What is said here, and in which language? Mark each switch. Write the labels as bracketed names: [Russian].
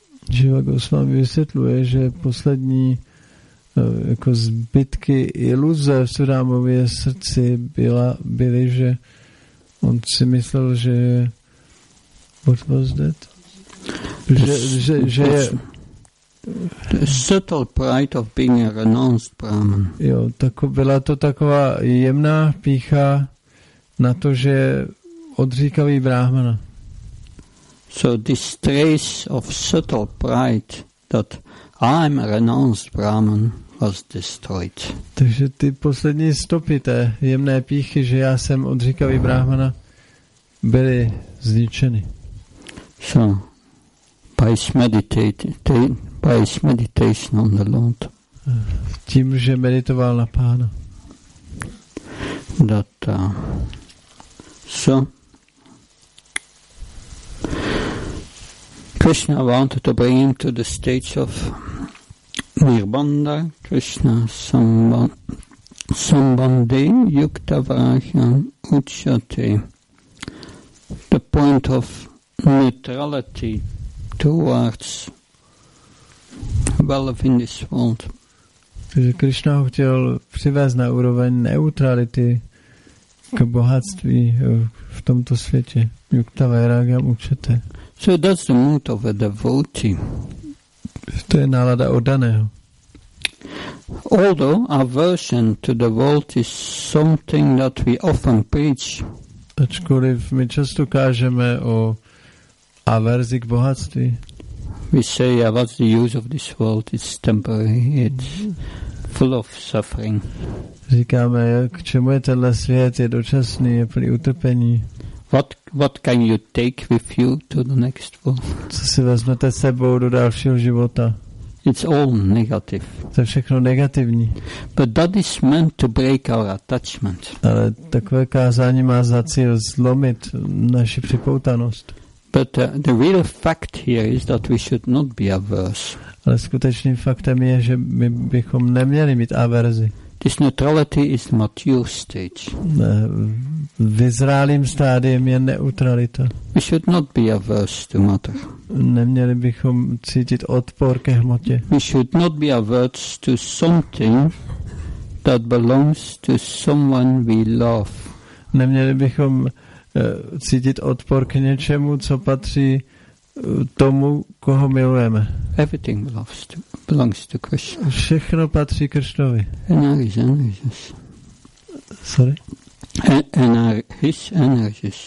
[Czech] Jiva Goswami vysvětluje, že poslední jako zbytky iluze v Sudamově srdci byly, že on si myslel, že je, [English] what was that? [Czech] Že je [English] the subtle pride of being a renounced Brahman. [Czech] Jo, tak byla to taková jemná pýcha na to, že odříkavý Brahmana. [English] So this trace of subtle pride that I'm a renounced Brahman was destroyed. [Czech] Takže ty poslední stopy té jemné pýchy, že já jsem odříkavý Brahmana, byly zničeny. [English] So, by meditating. By his meditation on the Lord. [Czech] Tím, že meditoval na pána. [English] That, so, Krishna wanted to bring him to the stage of [Sanskrit] Nirbanda, Krishna Sambandhi, Yuktavarajan, Uchyate, [English] the point of neutrality towards wealth in this world. [Czech] Takže Krishna ho chtěl přivést na úroveň neutrality k bohatství v tomto světě. [Sanskrit] Yukta Vairagyam Uchyate. [English] So that's the mood of a devotee. [Czech] To je nálada oddaného. [English] Although aversion to the world is something that we often preach. [Czech] Ačkoliv my často kážeme o averzi k bohatství. [English] We say, yeah, what's the use of this world? It's temporary. It's full of suffering. [Czech] Říkáme, k čemu je tenhle svět? Je dočasný, je plný utrpení. [English] What can you take with you to the next world? [Czech] Co si vezmete sebou do dalšího života? [English] It's all negative. [Czech] To je všechno negativní. [English] But that is meant to break our attachment. [Czech] Ale takové kázání má za cíl zlomit naši připoutanost. [English] But the real fact here is that we should not be averse. [Czech] Ale skutečným faktem je, že my bychom neměli mít averzi. [English] This neutrality is mature stage. [Czech] Vyzrálým stádiem je neutralita. [English] We should not be averse to matter. [Czech] Neměli bychom cítit odpor ke hmotě. [English] We should not be averse to something that belongs to someone we love. [Czech] Neměli bychom cítit odpor k něčemu, co patří tomu, koho milujeme. [English] Everything belongs to Krishna. [Czech] Všechno patří Krishnovi. [English] His energies.